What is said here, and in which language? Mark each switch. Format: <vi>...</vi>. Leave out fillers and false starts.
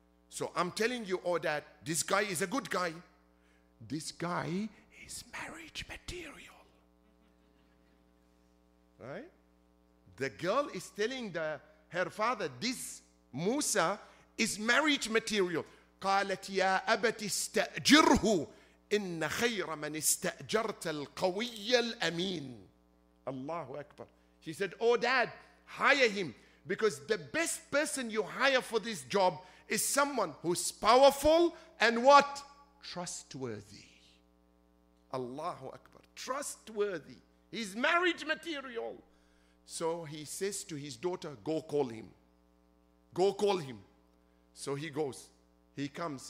<en>So I'm telling you, oh, dad, this guy is a good guy. This guy is marriage material. Right? The girl is telling her father, this Musa is marriage material.</en> <ar>قالت يا أبت استأجره إن خير من استأجرت القوي الأمين. Allahu Akbar.</ar> <en>She said, oh dad, hire him, because the best person you hire for this job is someone who's powerful and what? Trustworthy. Allahu Akbar. Trustworthy. He's marriage material. So he says to his daughter, go call him. Go call him. So he goes. He comes.</en>